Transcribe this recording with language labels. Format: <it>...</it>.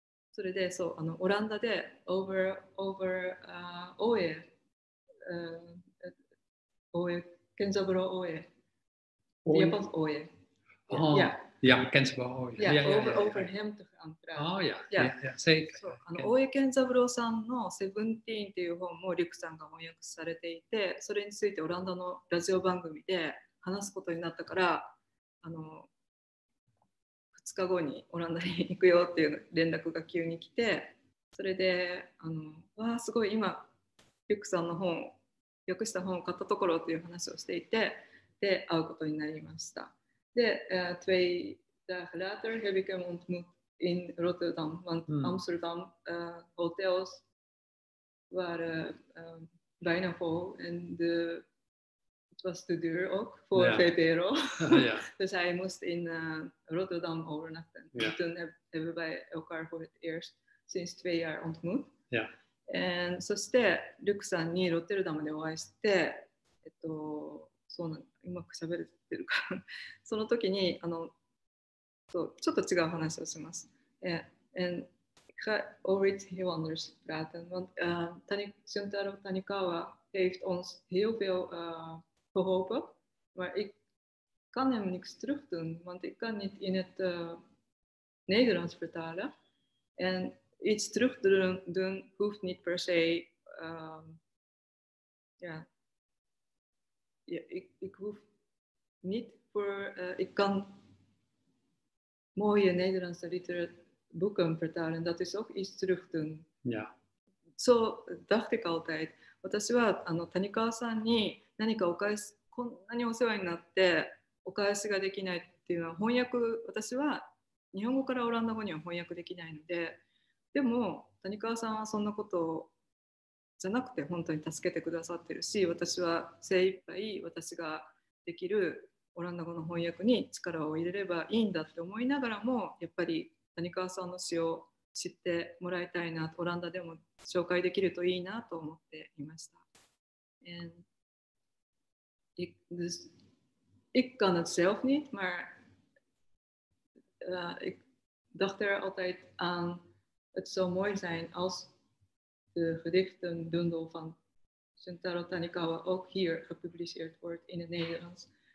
<ja>それでそうオランダで over Oe Oe Kenzaburo Oe.</ja> <nl>Japans Oe. Ja. Ja, Kenzaburo Oe. Ja, ja, over hem te gaan praten. Oh ja, yeah. Ja, zeker. So, yeah.</nl> <ja>大江健三郎さんの Seventeen という本もリクさんが翻訳されていて、それについてオランダのラジオ番組で話すことになったから、2日後にオランダに行くよっていう連絡が急に来て、それで、わあ、すごい今、リクさんの本、訳した本を買ったところっていう話をしていて、で、会うことになりました。</ja> <nl>De twee dagen later heb ik hem ontmoet in Rotterdam, want Amsterdam hotels waren bijna vol en het was te duur ook voor VPRO. Dus hij moest in Rotterdam overnachten. Yeah. Toen hebben wij elkaar voor het eerst sinds 2 jaar ontmoet.</nl> <ja>En zo ste Luc さん にロッテルダムでお会いして、そうなの、うまく喋れてるか。その時に、そう、ちょっと違う話をします。</ja> <nl>And ik ga over iets heel anders praten, want Shuntaro Tanikawa heeft ons heel veel geholpen, maar ik kan hem niks terug doen, want ik kan niet in het Nederlands vertalen. En iets terug doen hoeft niet per se. Ik hoef niet voor. Ik kan mooie Nederlandse literatuur boeken vertalen. Dat is ook iets terug doen. Ja. Zo dacht ik altijd. Wat als je</nl> <ja>Tanikawa さん に何かお返し、こんなにお世話になってお返しができないっていうのは翻訳、私は日本語からオランダ語には翻訳できないので。でも谷川さんはそんなことじゃなくて本当に助けてくださってるし、私は精一杯私ができるオランダ語の翻訳に力を入れればいいんだって思いながらも、やっぱり谷川さんの詩を知ってもらいたいな、オランダでも紹介できるといいなと思っていました。</ja> <nl>And this, ik kan het zelf niet, maar ik dacht er altijd aan. Het zou mooi zijn als de gedichtenbundel van Shuntaro Tanikawa ook hier gepubliceerd wordt in het Nederlands.</nl>